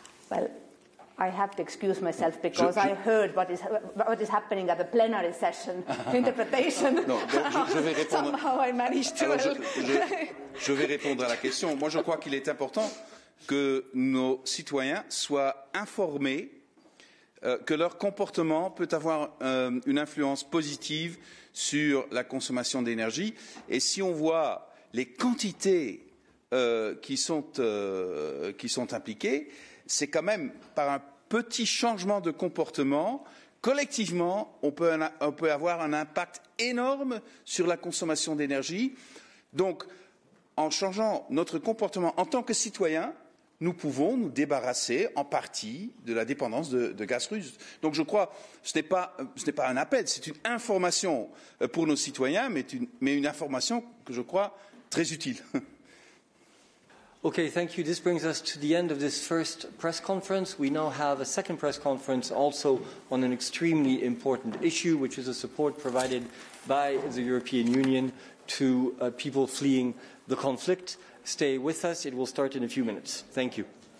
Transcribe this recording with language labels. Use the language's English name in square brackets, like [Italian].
[English] Well, I have to excuse myself because I heard what is happening at the plenary session interpretation. Somehow I managed to. [French] Je vais répondre à la question. Moi, je crois qu'il est important que nos citoyens soient informés que leur comportement peut avoir une influence positive sur la consommation d'énergie. Et si on voit les quantités qui sont impliquées, c'est quand même par un petit changement de comportement, collectivement, on peut avoir un impact énorme sur la consommation d'énergie. Donc, en changeant notre comportement en tant que citoyen, nous pouvons nous débarrasser en partie de la dépendance de gaz russe. Donc je crois que ce n'est pas un appel, c'est une information pour nos citoyens, mais une information que je crois très utile. [English] OK, thank you. This brings us to the end of this first press conference. We now have a second press conference also on an extremely important issue, which is the support provided by the European Union to people fleeing the conflict. Stay with us. It will start in a few minutes. Thank you.